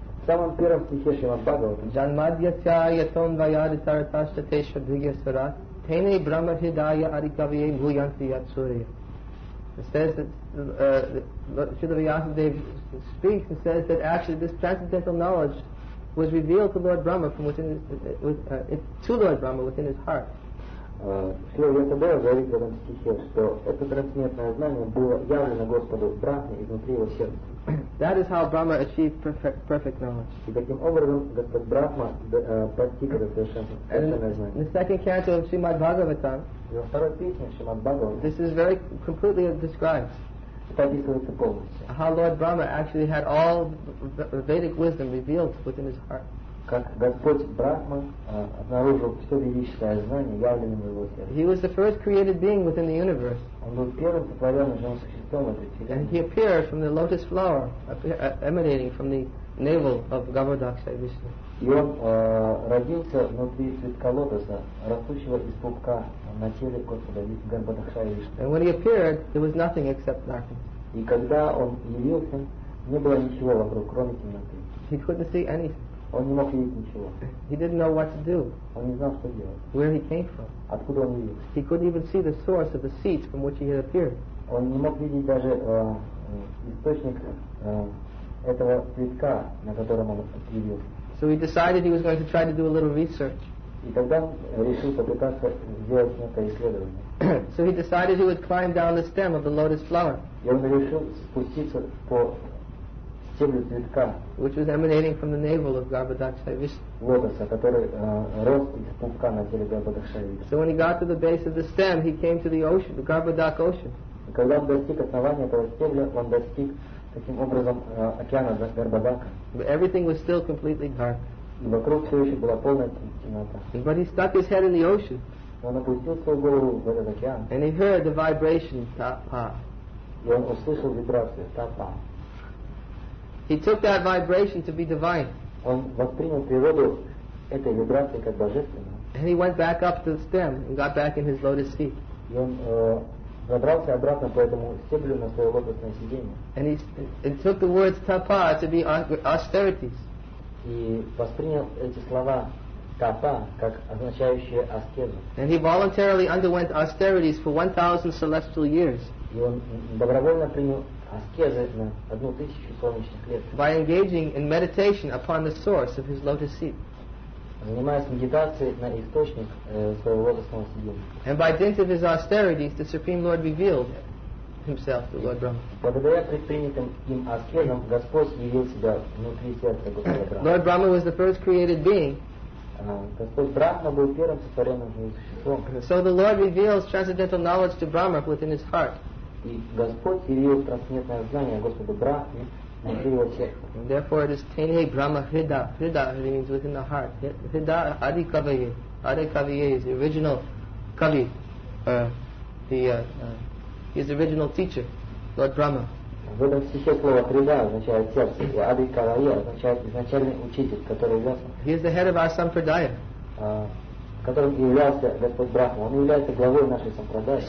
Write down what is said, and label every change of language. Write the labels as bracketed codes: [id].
[sa] Janmadhyasya yaton vayaditaratasya tesha dhigyasvara tene brahma hidaya arikavye bhuyanti yatsurya. [en] It says that Srila Vyasadeva speaks and says that actually this transcendental knowledge was revealed to Lord Brahma from within his, to Lord Brahma within his heart. [ru] Шри Ветабея говорит в этом стихе, что это трансцендентное знание было явлено Господу Брахме изнутри его сердца. [en] That is how Brahma achieved perfect knowledge. [ru] И таким образом Господь Брахма постиг это совершенное знание. [en] In the second canto of Srimad Bhagavatam, this is very completely described. How Lord Brahma actually had all Vedic wisdom revealed within his heart. [ru] Как Господь Брахма обнаружил все величественное знание, явленное в его сердце. [en] He was the first created being within the universe. [ru] Он был первым сотворенным живым существом в этой вселенной. [en] And he appeared from the lotus flower, emanating from the navel of Gavardaksha Vishnu. [ru] И он родился внутри цветка лотоса, растущего из пупка на теле Господа Гарбадакшая Вишну. [en] And when he appeared, there was nothing except darkness. [ru] И когда он явился, не было ничего вокруг, кроме темноты. [en] He couldn't see anything. [ru] Он не мог видеть ничего. [en] He didn't know what to do. [ru] Он не знал, что делать. [en] Where he came from. [ru] Откуда он видел. [en] He couldn't even see the source of the seeds from which he had appeared. [ru] Он не мог видеть даже источник этого цветка, на котором он появился. [en] So he decided he was going to try to do a little research. [ru] И тогда он решил попытаться сделать некое исследование. [en] So he decided he would climb down the stem of the lotus flower. [ru] И он решил спуститься по стеблю цветка, [en] which was emanating from the navel of Garbhodakshaya Vishnu. [ru] Лотоса, который рос из пупка на теле Garbhodakshaya Vishnu. [en] So when he got to the base of the stem, he came to the ocean, the Garbhodak ocean. [ru] Когда он достиг основания этого стебля, он достиг таким образом океана Garbhodaka. [en] But everything was still completely dark. [ru] И вокруг все еще была полная темнота. [en] But he stuck his head in the ocean. [ru] Он опустил свою голову в этот океан. [en] And he heard the vibration, tapa. [ru] И он услышал вибрацию, tapa. [en] He took that vibration to be divine. [ru] Он воспринял природу этой вибрации как божественную. [en] And he went back up to the stem and got back in his lotus seat. [ru] И он забрался обратно по этому стеблю на свое лотосное сиденье. [en] And he took the words tapa to be austerities. [ru] И воспринял эти слова tapa как означающие аскезу. [en] And he voluntarily underwent austerities for 1,000 celestial years. [ru] И он добровольно принял аскезы на 1,000 солнечных лет. [en] By engaging in meditation upon the source of his lotus seat. [ru] Занимаясь медитацией на источник своего лотосного сиденья. [en] And by dint of his austerities, the Supreme Lord revealed himself to Lord Brahma. [ru] Благодаря предпринятым им аскезам, Господь явил себя внутри сердца Господа Брахма. [en] Lord Brahma was the first created being. [ru] Господь Брахма был первым сотворенным живым существом. [en] So the Lord reveals transcendental knowledge to Brahma within his heart. [ru] И Господь явил трансцендентное знание Господу Брахме внутри его сердца. [en] And therefore it is [sa] tene brahma hrida. [en] Hrida means within the heart. [sa] Hrida adi kaviye. Adi kaviye [en] is the original kavi. the his original teacher, Lord Brahma. He is the head of our sampradaya.